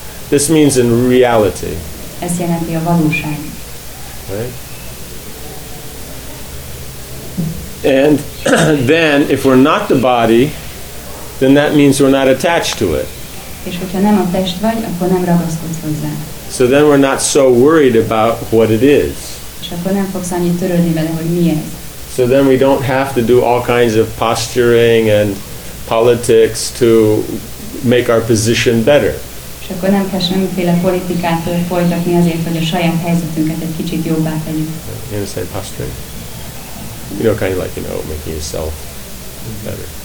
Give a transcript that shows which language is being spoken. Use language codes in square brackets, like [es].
[en] This means in reality. Right? And then, if we're not the body, then that means we're not attached to it. [hu] És hogyha nem a test vagy, akkor nem ragaszkodsz hozzá. [en] So then we're not so worried about what it is. [hu] És akkor nem fogsz annyit törődni vele, hogy mi ez. [en] So then we don't have to do all kinds of posturing and politics to make our position better. [hu] És akkor nem kell semmiféle politikát folytatni azért, hogy a saját helyzetünket egy kicsit jobbá tegyük. [en] You understand posturing? You know, kind of like, you know, making yourself better.